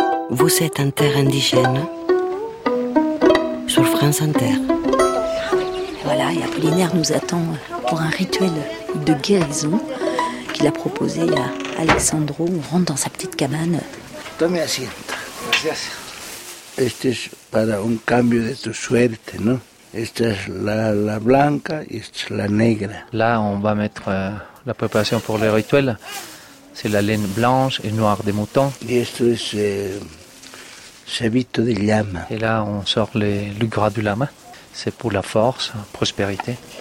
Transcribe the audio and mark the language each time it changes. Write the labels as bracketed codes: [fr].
[fr] Vous êtes un terre indigène sur France Inter. Voilà, et Apollinaire nous attend pour un rituel de guérison qu'il a proposé à Alexandro. On rentre dans sa petite cabane. [es] Tome asiento. Gracias. Este es para un cambio de tu suerte, ¿no? Esta es la blanca y esta es la negra. [fr] Là, on va mettre la préparation pour le rituel. C'est la laine blanche et noire des moutons. [es] Y esto es cebito de llama. [fr] Et là, on sort le gras du lama. C'est pour la force, prospérité.